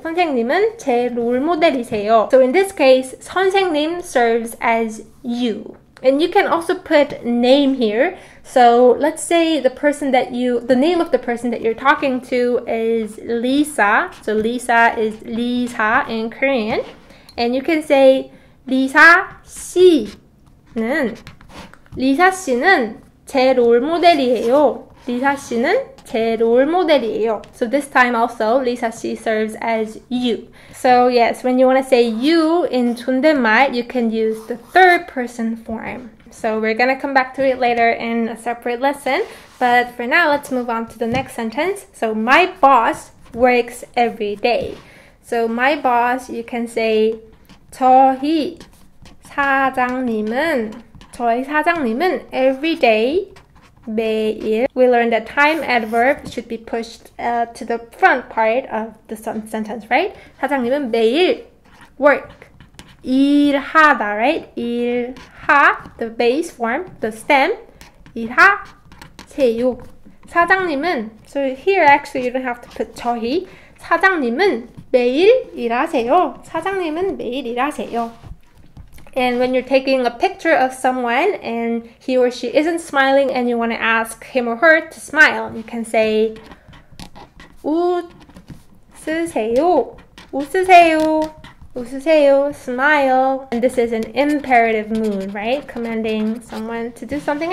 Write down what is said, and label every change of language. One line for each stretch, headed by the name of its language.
Korean: 선생님은 제 롤 모델이세요.
English: So in this case, 선생님 serves as you. And you can also put name here. So let's say the name of the person that you're talking to is Lisa. So Lisa is 리사 in Korean. And you can say
Korean: 리사 씨는 제 롤 모델이에요. 리사 씨는 제 롤 모델이에요.
English: So this time also, 리사 씨 serves as you. So yes, when you want to say you in 존댓말, you can use the third person form. So we're going to come back to it later in a separate lesson. But for now, let's move on to the next sentence. So my boss works every day. So my boss, you can say
Korean: 저희 사장님은
English: every day.
Korean: 매일.
English: We learned that time adverb should be pushed to the front part of the sentence, right?
Korean: 사장님은 매일
English: work. 일하다, right? 일하, the base form, the stem.
Korean: 일하세요.
English: 사장님은, so here actually you don't have to put 저희.
Korean: 사장님은 매일 일하세요. 사장님은 매일 일하세요.
English: And when you're taking a picture of someone and he or she isn't smiling and you want to ask him or her to smile, you can say 웃으세요.
Korean: 웃으세요. 웃으세요. Smile.
English: And this is an imperative mood, right? Commanding someone to do something.